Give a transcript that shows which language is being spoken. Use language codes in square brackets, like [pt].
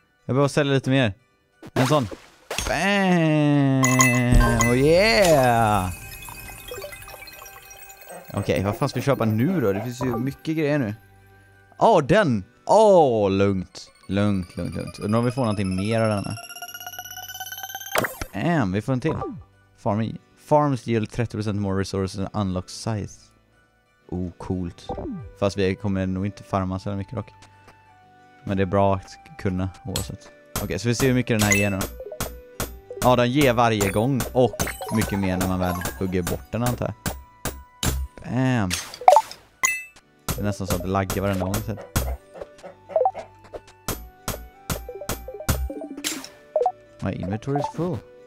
[sv] Jag behöver sälja lite mer. En sån. Bam! [en] Oh yeah! [sv] Okej, okay, vad fan ska vi köpa nu då? Det finns ju mycket grejer nu. Åh, den! Åh, lugnt. Lugnt, lugnt, lugnt. Nu har vi fått någonting mer av den här. Bam, vi får en till. [en] Farms yield 30% more resources and unlock size. [sv] Oh, coolt. Fast vi kommer nog inte farma så mycket dock. Men det är bra att kunna oavsett. Okej, okay, så vi ser hur mycket den här ger nu. Ja, den ger varje gång och mycket mer när man väl hugger bort den antar jag. Bam! Det är nästan så att det laggar varenda gång. [en] Okej, my inventory is full.